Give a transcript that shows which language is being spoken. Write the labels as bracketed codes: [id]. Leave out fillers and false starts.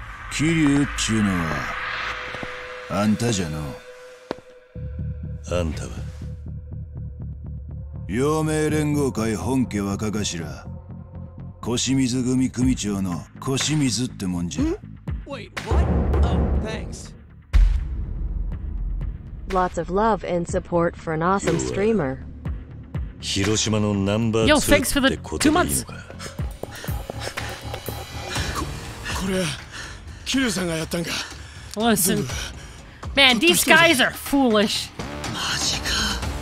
[ja] キリュウっちゅうのはあんたじゃの。あんたは陽明連合会本家若頭、腰水組組長の腰水ってもんじゃ。 [en] ん？Wait, what? Oh, thanks. Lots of love and support for an awesome streamer. [ja] 広島のナンバー2ってことでいいのか。 [en] Yo, thanks for the 2 months. [ja] これはキルさんがやったんか。 [en] Listen. Man, these guys are foolish. [ja] マジか。